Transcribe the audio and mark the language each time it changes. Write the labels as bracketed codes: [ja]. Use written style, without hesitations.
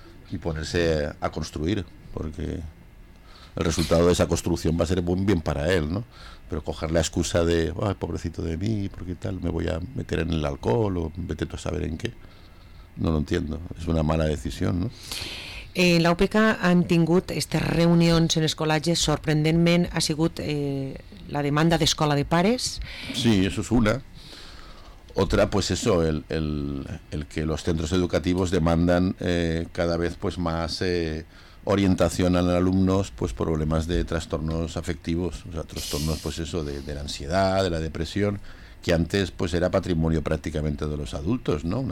[es] Y ponerse a construir, porque el resultado de esa construcción va a ser muy bien para él, ¿no? Pero coger la excusa de, ay, pobrecito de mí, porque tal, me voy a meter en el alcohol o vete tú a saber en qué, no lo entiendo, es una mala decisión, ¿no? [ca] En la UPK han tingut estes reunions en els col·legis, sorprendentment ha sigut la demanda d'escola de pares. [es] Sí, eso es una. Otra, pues eso, el que los centros educativos demandan cada vez pues más orientación a los alumnos, pues problemas de trastornos afectivos, o sea, trastornos, pues eso, de la ansiedad, de la depresión, que antes pues era patrimonio prácticamente de los adultos, ¿no?